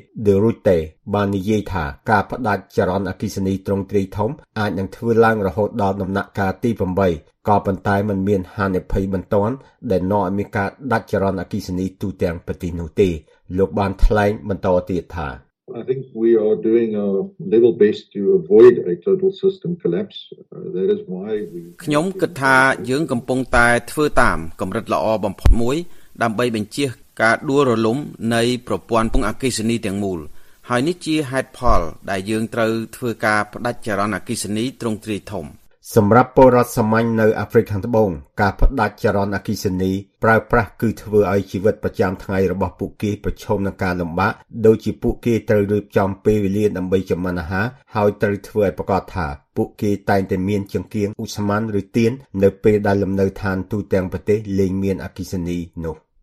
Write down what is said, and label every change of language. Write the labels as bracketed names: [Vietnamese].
[Khmer] De Rutte បាននិយាយថាការផ្ដាច់ចរន្តអគ្គិសនីទ្រង់ទ្រាយធំអាចនឹងធ្វើឡើងរហូតដល់ដំណាក់កាលទី8ក៏ប៉ុន្តែมันមានហានិភ័យបន្ទាន់ដែលនាំឲ្យមានការដាច់ចរន្តអគ្គិសនីទូទាំងប្រទេសនោះទេលោកបានថ្លែងបន្តទៀតថា [English] I think we are doing a little bit to avoid a total system collapse. That is why we [Khmer] ខ្ញុំគិតថាយើងកំពុងតែធ្វើតាមកម្រិតល្អបំផុតមួយដើម្បីបញ្ជៀសការដួលរលំនៃប្រព័ន្ធពងអគ្គិសនីទាំងមូលហើយនេះជាហេតុផលដែលយើងត្រូវធ្វើការផ្ដាច់ចរន្តអគ្គិសនីទ្រង់ទ្រាយធំ សម្រាប់ពលរដ្ឋសាមញ្ញនៅអាហ្វ្រិកខាងត្បូងការផ្ដាច់ចរន្តអគ្គិសនីប្រើប្រាស់គឺធ្វើឲ្យជីវិតប្រចាំថ្ងៃរបស់ពួកគេប្រឈមនឹងការលំបាកដូចជាពួកគេត្រូវរៀបចំពេលវេលាដើម្បីចំណាហាហើយត្រូវធ្វើឲ្យប្រកាសថាពួកគេតែងតែមានចង្កៀងឧស្ម័នឬទៀននៅពេលដែលលំនៅឋានទូទាំងប្រទេសលែងមានអគ្គិសនីនោះ